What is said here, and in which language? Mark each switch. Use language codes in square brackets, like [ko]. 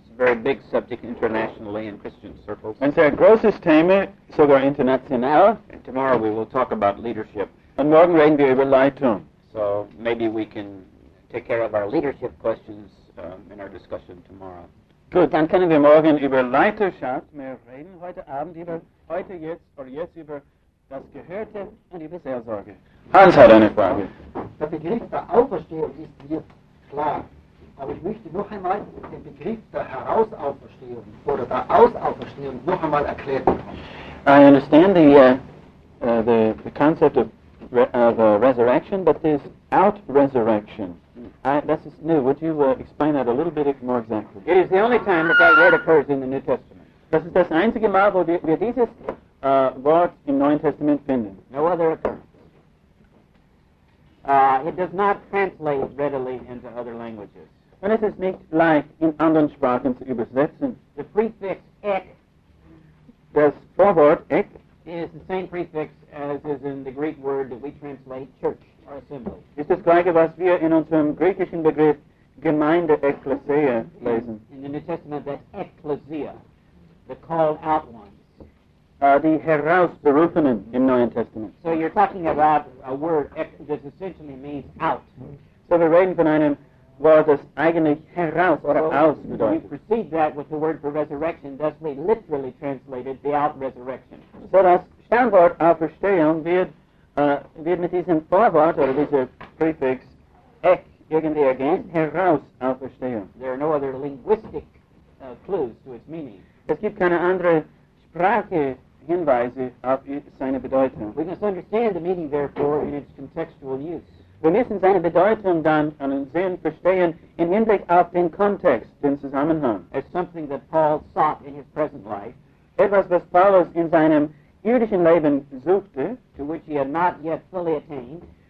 [en] It's a very big subject internationally in Christian circles. [de] Ein sehr großes Thema sogar international. [en] And tomorrow we will talk about leadership. [de] Und morgen reden wir über Leitung. [en] So maybe we can take care of our leadership questions in our discussion tomorrow. [de] Gut, dann können wir morgen über Leiterschaft mehr reden, heute Abend über heute jetzt oder jetzt über das Gehörte und über Seelsorge. Hans hat eine Frage. Der Begriff der Auferstehung ist mir klar, aber ich möchte noch einmal den Begriff der Herausauferstehung oder der Ausauferstehung noch einmal erklären. [en] I understand the concept of resurrection, but there's out-resurrection. That's just new. Would you explain that a little bit more exactly? It is the only time that word occurs in the New Testament. [de] Das ist das einzige Mal, wo wir dieses Wort im Neuen Testament finden. [en] No other occurrence. It does not translate readily into other languages. [de] Und es ist nicht leicht in anderen Sprachen zu übersetzen. [en] The prefix ek, [de] das Vorwort ek, [en] is the same prefix as is in the Greek word that we translate church. Assembly. [de] Ist das gleiche, was wir in unserem griechischen Begriff Gemeinde Ekklesia lesen? [en] In the New Testament, that's Ekklesia, the called out ones. [de] Die herausberufenen im Neuen Testament. [en] So you're talking about a word that essentially means out. [de] So wir reden von einem Wort, das eigentlich heraus oder so aus bedeutet. [en] We precede that with the word for resurrection, thus we literally translated the out resurrection. [de] So das Sternwort Auferstehung wird wird mit diesem Vorwort oder dieser Prefix ek irgendwie ergänzt, heraus auferstehen. [en] There are no other linguistic clues to its meaning. [de] Es gibt keine andere Sprache Hinweise auf seine Bedeutung. [en] We must understand the meaning, therefore, in its contextual use. [de] Wir müssen seine Bedeutung dann und den Sinn verstehen im Hinblick auf den Kontext, den Zusammenhang. [en] As something that Paul sought in his present life. [de] Etwas, was Paulus in seinem jüdischen Leben suchte, [en] to which he had not yet fully attained,